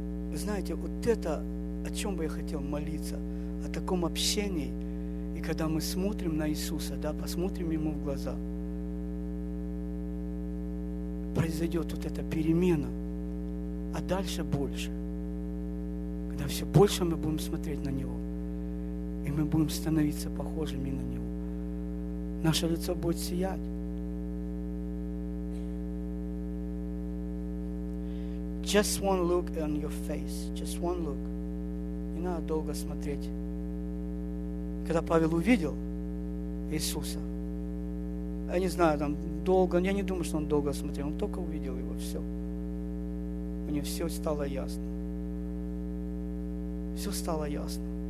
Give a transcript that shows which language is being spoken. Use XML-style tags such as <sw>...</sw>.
<ru>Вы знаете, вот это, о чем бы я хотел молиться, о таком общении, и когда мы смотрим на Иисуса, да, посмотрим Ему в глаза, произойдет вот эта перемена, а дальше больше. Когда все больше мы будем смотреть на Него, и мы будем становиться похожими на Него, наше лицо будет сиять.</ru> <en>Just one look on your face. Just one look.</en> <ru>Не надо долго смотреть. Когда Павел увидел Иисуса, я не знаю, там долго, я не думаю, что он долго смотрел, он только увидел Его, все. У него все стало ясно. Все стало ясно.</ru>